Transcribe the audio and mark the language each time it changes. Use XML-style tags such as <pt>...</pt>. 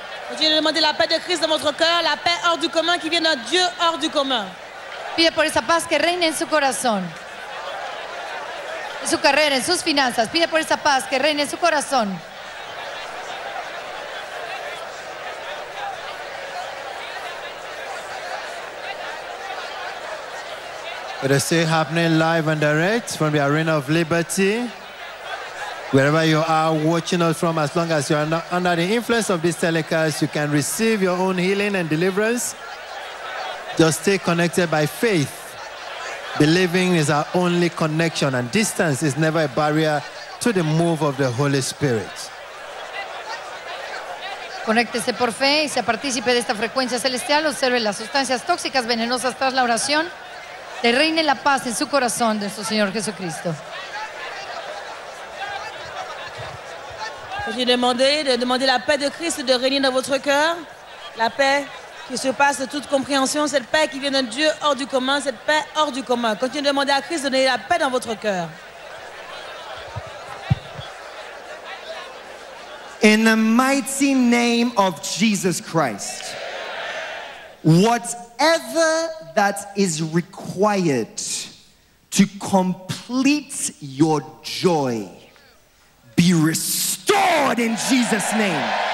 <fr>Continue de demander la paix de Christ dans votre cœur, la paix hors du commun qui vient d'un Dieu hors du commun.</fr> <es>Pide por esa paz que reine en su corazón. En su carrera, en sus finanzas. Pide por esa paz que reine en su corazón.</es> <en>It is still happening live and direct from the Arena of Liberty. Wherever you are watching us from, as long as you are not under the influence of this telecast, you can receive your own healing and deliverance. Just stay connected by faith. Believing is our only connection, and distance is never a barrier to the move of the Holy Spirit.</en> <es>Conéctese por fe y sea partícipe de esta frecuencia celestial. Observe las sustancias tóxicas venenosas tras la oración. Te reine la paz en su corazón de nuestro Señor Jesucristo.</es> <fr>Continuez de demander la paix de Christ de régner dans votre cœur. La paix qui surpasse toute compréhension, cette paix qui vient d'un Dieu hors du commun, cette paix hors du commun. Continuez de demander à Christ de donner la paix dans votre cœur.</fr> <en>In the mighty name of Jesus Christ, whatever that is required to complete your joy, be restored in Jesus' name.</en>